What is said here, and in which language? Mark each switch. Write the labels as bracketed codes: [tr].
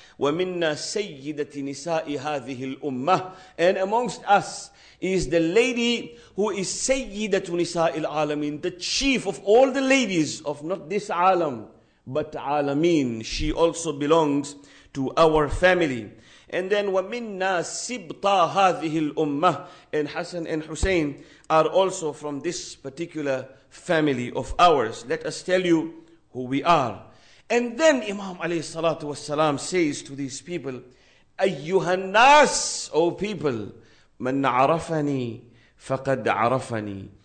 [ar] وَمِنَّا سَيِّدَةِ نِسَاءِ هَذِهِ الْأُمَّةِ. [en] And amongst us is the lady who is [ar] سَيِّدَةُ نِسَاءِ الْعَالَمِينَ, [en] the chief of all the ladies of not this alam, but alameen. She also belongs to our family. And then [ar] وَمِنَّا سِبْطَى هَذِهِ الْأُمَّةِ. [en] And Hassan and Hussein are also from this particular family of ours. Let us tell you who we are. And then Imam alayhi salatu wasalam says to these people, [ar] أَيُّهَا النَّاسِ, [en] O people, [ar] مَنْ عَرَفَنِي فَقَدْ عَرَفَنِي.